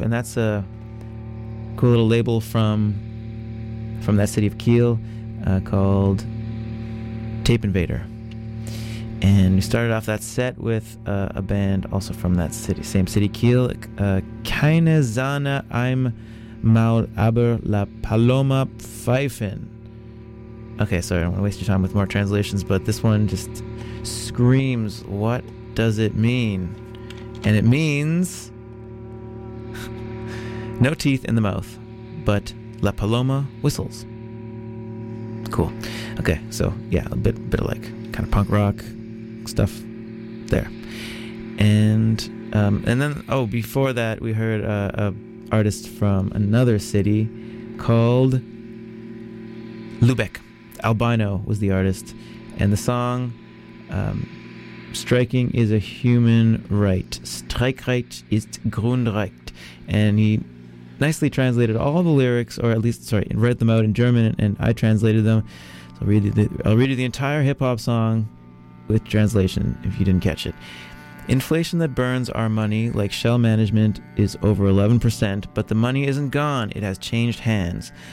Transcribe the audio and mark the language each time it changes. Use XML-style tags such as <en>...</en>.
<en>And that's a cool little label from that city of Kiel called Tape Invader. And we started off that set with a band also from that city, same city, Kiel, Keine Sahne, I'm</en> <de>Maul aber la Paloma pfeifen.</de> <en>Okay, sorry, I don't want to waste your time with more translations, but this one just screams, what does it mean? And it means no teeth in the mouth, but la paloma whistles. Cool. Okay, so yeah, a bit of like kind of punk rock stuff there. And then before that, we heard a artist from another city called Lübeck. Albino was the artist. And the song, Striking is a Human Right.</en> <de>Streikrecht ist Grundrecht.</de> <en>And he nicely translated all the lyrics, or at least, sorry, read them out in German, and I translated them. So I'll read you the entire hip-hop song with translation, if you didn't catch it. Inflation that burns our money, like Shell management, is over 11%, but the money isn't gone, it has changed hands.</en>